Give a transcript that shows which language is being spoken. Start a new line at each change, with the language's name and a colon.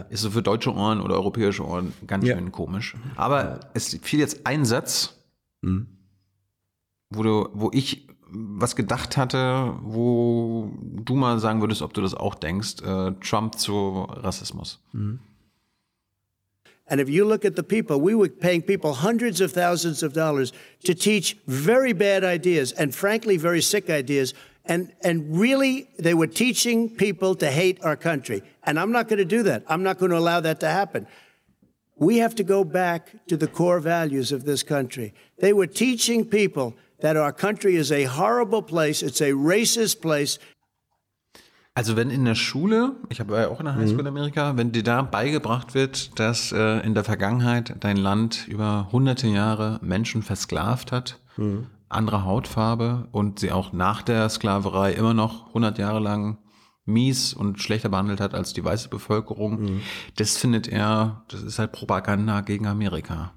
German: Ist so für deutsche Ohren oder europäische Ohren ganz schön komisch. Aber es fiel jetzt ein Satz, wo ich was gedacht hatte, wo du mal sagen würdest, ob du das auch denkst, Trump zu Rassismus.
English: And if you look at the people, we were paying people hundreds of thousands of dollars to teach very bad ideas and frankly very sick ideas and really they were teaching people to hate our country. And I'm not going to do that. I'm not going to allow that to happen. We have to go back to the core values of this country. They were teaching people that our country is a horrible place, it's a racist place.
German: Also wenn in der Schule, ich habe ja auch in der Highschool in Amerika, wenn dir da beigebracht wird, dass in der Vergangenheit dein Land über hunderte Jahre Menschen versklavt hat, andere Hautfarbe und sie auch nach der Sklaverei immer noch 100 Jahre lang mies und schlechter behandelt hat als die weiße Bevölkerung, das findet er, das ist halt Propaganda gegen Amerika.